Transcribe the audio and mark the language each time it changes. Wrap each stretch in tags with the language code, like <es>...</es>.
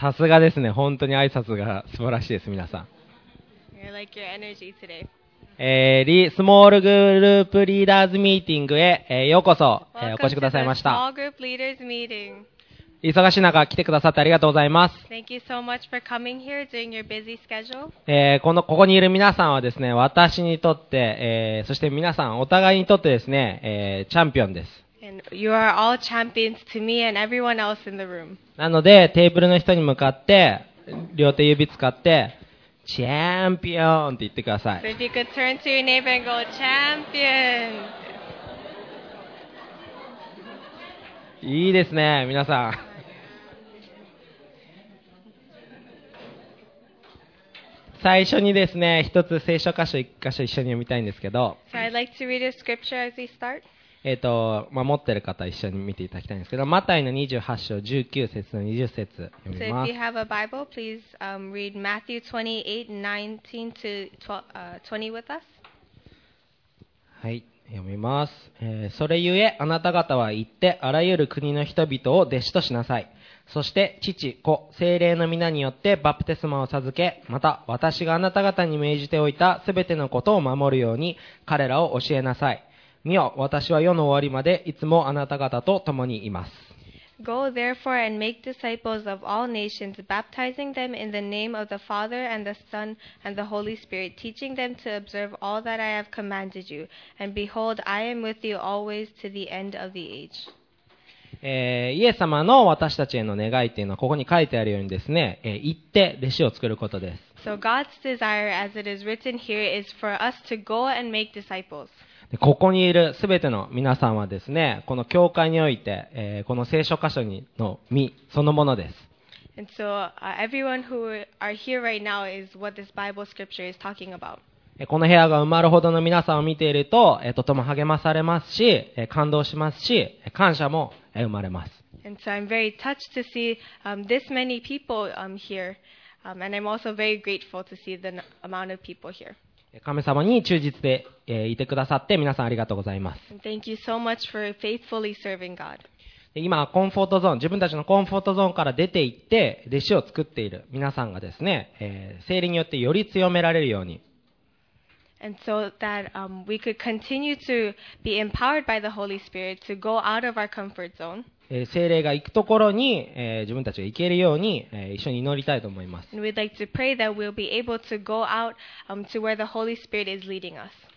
<ja>さすがですね、本当に挨拶が素晴らしいです。皆さん、</ja> <en>I like your energy today.</en> <ja>スモールグループリーダーズミーティングへ、ようこそ、お越しくださいました。</ja> <en>Welcome to the small group leaders meeting.</en> <ja>忙しい中来てくださってありがとうございます。</ja> <en>Thank you so much for coming here during your busy schedule.</en> <ja>ここにいる皆さんはですね、私にとって、そして皆さんお互いにとってですね、チャンピオンです。</ja> <en>And you are all champions to me and everyone else in the room.</en> <ja>なのでテーブルの人に向かって両手指使ってチャンピオンって言ってください。</ja> <en>So if you could turn to your neighbor and go champion.</en> <ja>いいですね皆さん。最初にですね、一つ聖書箇所一箇所一緒に読みたいんですけど。</ja> <en>So I'd like to read a scripture as we start.</en> <ja>持ってる方一緒に見ていただきたいんですけど、マタイの28章19節の20節読みます。</ja> <en>So if you have a Bible, please read Matthew 28:19 to 20 with us.</en> <ja>はい、読みます、それゆえあなた方は行ってあらゆる国の人々を弟子としなさい。そして父、子、聖霊の御名によってバプテスマを授け、また私があなた方に命じておいたすべてのことを守るように彼らを教えなさい。見よ、私は世の終わりまでいつもあなた方と共にいます。</ja> <en>Go therefore and make disciples of all nations, baptizing them in the name of the Father and the Son and the Holy Spirit, teaching them to observe all that I have commanded you. And behold, I am with you always to the end of the age.</en> <ja>イエス様の私たちへの願いというのはここに書いてあるようにですね、行って弟子を作ることです。</ja> <en>So God's desire, as it is written here, is for us to go and make disciples.</en> <ja>ここにいるすべての皆さんはですね、この教会において、この聖書箇所にの実そのものです。</ja> <en>And so, everyone who are here right now is what this Bible scripture is talking about.</en> <ja>この部屋が埋まるほどの皆さんを見ていると、とても励まされますし、感動しますし、感謝も生まれます。</ja> <en>And so I'm very touched to see, this many people, here. And I'm also very grateful to see the amount of people here.</en> <ja>神様に忠実でいてくださって皆さんありがとうございます。</ja> <en>Thank you so much for faithfully serving God.</en> <ja>今コンフォートゾーン、自分たちのコンフォートゾーンから出て行って弟子を作っている皆さんがですね、聖霊によってより強められるように、</ja> <en>And so that, we could continue to be empowered by the Holy Spirit to go out of our comfort zone.</en> <ja>聖霊が行くところに、自分たちが行けるように、一緒に祈りたいと思います。</ja> <en>We'd like to pray that we'll be able to go out, to where the Holy Spirit is leading us.</en>